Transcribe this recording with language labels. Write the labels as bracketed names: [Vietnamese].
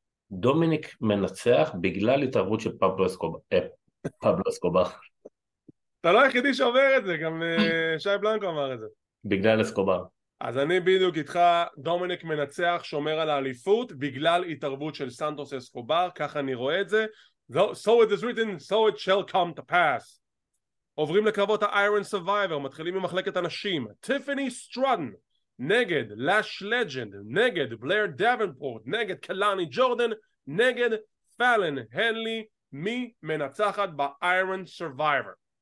[Hebrew] דומיניק מנצח בגלל התערבות של פבלו אסקובר. פבלו אסקובר. אתה לא היחידי שאומר את זה, גם שי בלנקו אמר את זה. בגלל אסקובר. אז אני בדיוק איתך, דומיניק מנצח, שומר על האליפות, בגלל התערבות של סנטוס אסקובר, ככה אני רואה את זה. [English] So it is written, so it shall come to pass. [Hebrew] עוברים לקרבות ה-Iron Survivor, מתחילים ממחלקת הנשים. טיפני סטרודן. נגד לאש לג'נד, נגד בלייר דאבנפורט, נגד קלאני ג'ורדן, נגד פאלן הנלי, מי מנצחת ב-Iron Survivor?